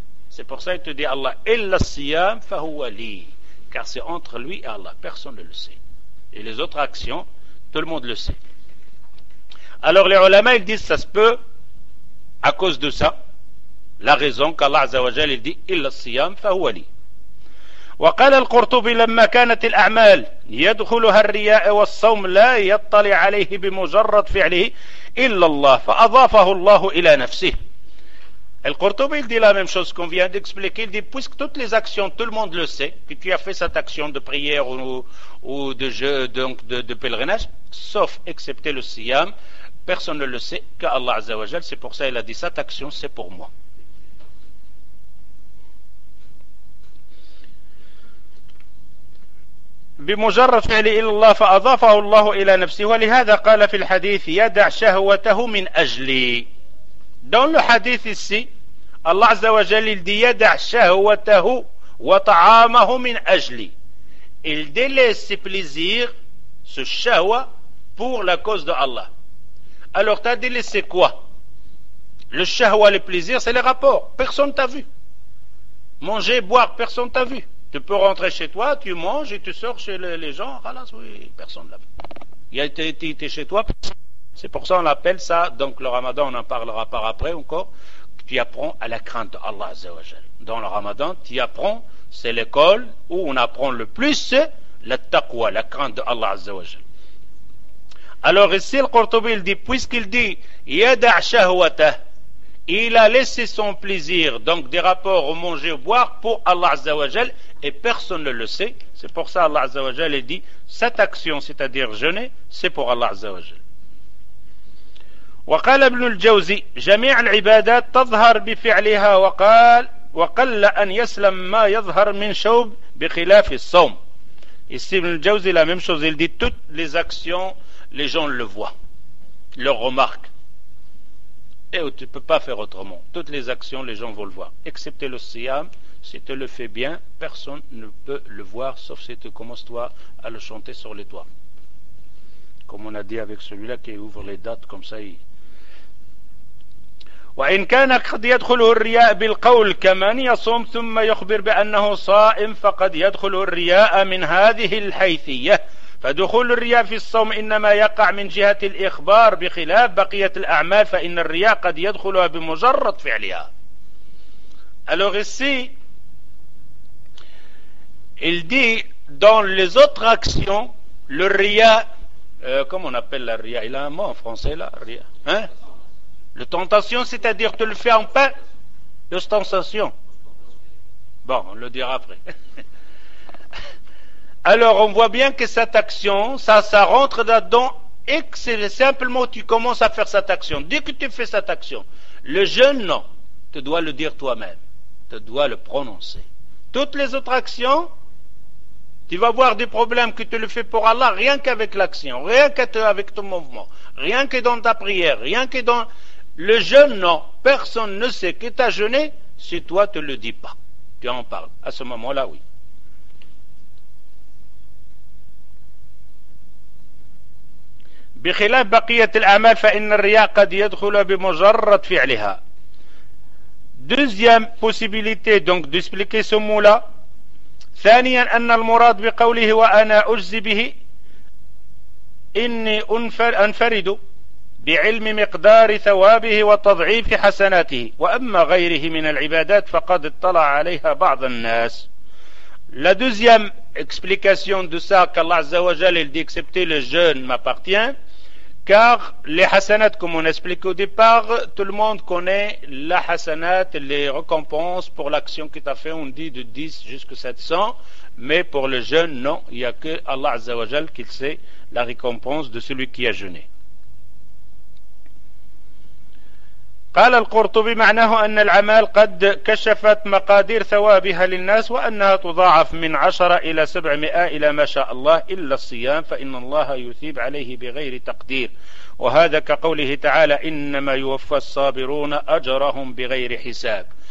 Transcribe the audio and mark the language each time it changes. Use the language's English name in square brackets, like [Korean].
[French] C'est pour ça qu'il te dit Allah, [Arabic] illa siyam fahuwa li. [French] Car c'est entre lui et Allah. Personne ne le sait. Et les autres actions, tout le monde le sait. Alors les ulama, ils disent, ça se peut à cause de ça. La raison qu'Allah azawajal, il dit, [Arabic] illa siyam fahuwa li. وقال القرطبي لما كانت الأعمال يدخلها الرياء والصوم لا يطلع عليه بمجرد فعله إلا الله فأضافه الله إلى نفسه. [French] القرطبي dit la même chose qu'on vient d'expliquer. Il dit puisque toutes les actions, tout le monde le sait, que tu as fait cette action de prière ou de jeu, donc de pèlerinage, sauf excepté le siyam, personne ne le sait qu'Allah Azza wa Jal. C'est pour ça qu'il a dit cette action, c'est pour moi. [Arabic] بمجرد فعل إلى الله فأضافه الله إلى نفسه ولهذا قال في الحديث يدع شهوته من أجلي. [French] Dans le hadith ici, Allah عز وجل dit [Arabic] يدع شهوته وطعامه من أجلي. [French] Il délaisse ses plaisirs, ce shahwa, pour la cause de Allah. Alors t'as délaissé quoi? Le shahwa, le plaisir, c'est les rapports. Personne t'a vu. Manger, boire, personne t'a vu. Tu peux rentrer chez toi, tu manges et tu sors chez les gens. Khalas, oui, personne ne l'a vu. Il a été chez toi. C'est pour ça qu'on appelle ça, donc le ramadan, on en parlera par après encore, tu apprends à la crainte d'Allah Azza wa Jal. Dans le ramadan, tu apprends, c'est l'école où on apprend le plus la taqwa, la crainte d'Allah Azza wa Jal. Alors ici, le Qurtubi, il dit, puisqu'il dit, [Arabic] yada' shahwatah, [French] il a laissé son plaisir, donc des rapports au manger, au boire, pour Allah Azza wa Jal, et personne ne le sait. C'est pour ça Allah Azza wa Jal dit, cette action, c'est-à-dire jeûner, c'est pour Allah Azza wa Jal. [Arabic] وقال ابن الجوزي جميع العبادات تظهر بفعلها وقال وقل أن يسلم ما يظهر من شوب بخلاف الصوم. [French] Ici ابن الجوزي la même chose, il dit toutes les actions, les gens le voient, le remarquent. Et tu ne peux pas faire autrement. Toutes les actions, les gens vont le voir. Excepté le siyam, si tu le fais bien, personne ne peut le voir, sauf si tu commences toi à le chanter sur les toits. Comme on a dit avec celui-là qui ouvre les dates comme ça. [Arabic] وَإِنْ كَانَ قَدْ يَدْخُلُهُ الرِّيَاءَ بِالْقَوْلِ كَمَنْ يَصُومْ ثُمَّ يُخْبِرْ بِأَنَّهُ صَائِمْ فَقَدْ يَدْخُلُهُ الرِّيَاءَ مِنْ هَذِهِ الْحَيْثِيَّةِ فدخول الرياء في الصوم إنما يقع من جهة الإخبار بخلاف بقية الأعمال فإن الرياء قد يدخلها بمجرد فعلها. [French] Alors ici, il dit dans les autres actions, le ria, comment on appelle la ria? Il a un mot en français là, ria. Hein? Le tentation, c'est-à-dire tu le fais en pain, l'ostentation. Bon, on le dira après. Alors, on voit bien que cette action, ça rentre là-dedans, et que c'est simplement tu commences à faire cette action. Dès que tu fais cette action, le jeûne, non, tu dois le dire toi-même, tu dois le prononcer. Toutes les autres actions, tu vas voir des problèmes que tu le fais pour Allah, rien qu'avec l'action, rien qu'avec ton mouvement, rien que dans ta prière, rien que dans le jeûne, non, personne ne sait que tu as jeûné si toi tu ne le dis pas. Tu en parles. À ce moment-là, oui. « [Arabic] بخلاف بقية الأعمال فإن الرياء قد يدخل بمجرد فعلها. [French] Deuxième possibilité donc d'expliquer ce mot-là. [Arabic] ثانيا أن المراد بقوله وأنا أجزي به إني أنفرد بعلم مقدار ثوابه وتضعيف حسناته وأما غيره من العبادات فقد اطلع عليها بعض الناس. [French] La deuxième explication de ça qu'Allah Azza wa Jal il dit accepter le jeûne m'appartient car les hasanat comme on explique au départ tout le monde connaît la hasanat les récompenses pour l'action que tu as fait on dit de 10 jusqu'à 700 mais pour le jeûne non il n'y a que Allah Azza wa Jal qui sait la récompense de celui qui a jeûné. [Arabic] قال القرطبي معناه أن الأعمال قد كشفت مقادير ثوابها للناس وأنها تضاعف من 10 إلى 700 إلى ما شاء الله إلا الصيام فإن الله يثيب عليه بغير تقدير وهذا كقوله تعالى إنما يوفى الصابرون أجرهم بغير حساب.